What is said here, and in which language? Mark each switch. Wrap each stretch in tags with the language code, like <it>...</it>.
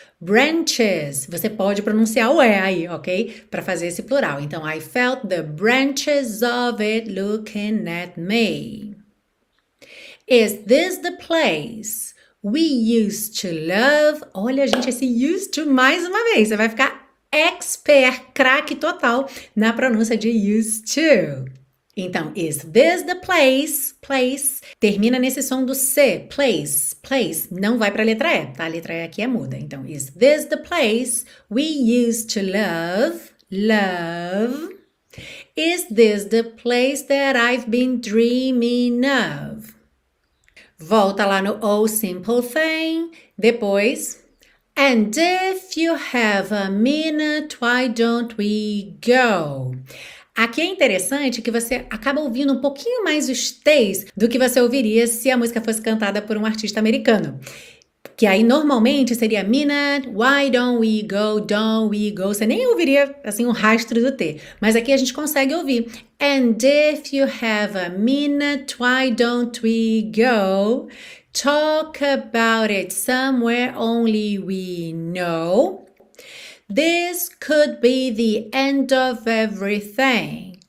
<en>Branches.</en> <pt>Você pode pronunciar o E aí, ok? Para fazer esse plural.</pt> <en>Então, I felt the branches of it looking at me. Is this the place we used to love?</en> <pt>Olha, gente, esse used to mais uma vez. Você vai ficar expert, craque total na pronúncia de used to. Então,</pt> <en>is this the place?</en> <pt>Place. Termina nesse som do C.</pt> <en>Place, place.</en> <pt>Não vai para a letra E, tá? A letra E aqui é muda.</pt> <en>Então, is this the place we used to love? Love. Is this the place that I've been dreaming of?</en> <pt>Volta lá no Oh Simple Thing. Depois.</pt> <en>And if you have a minute, why don't we go?</en> <pt>Aqui é interessante que você acaba ouvindo um pouquinho mais os T's do que você ouviria se a música fosse cantada por um artista americano. Que aí normalmente seria</pt> <en>minute, why don't we go,</en> <pt>don't we go? Você nem ouviria assim um rastro do T. Mas aqui a gente consegue ouvir.</pt> <en>And if you have a minute, why don't we go? Talk about it somewhere only we know. This could be the end of everything.</en>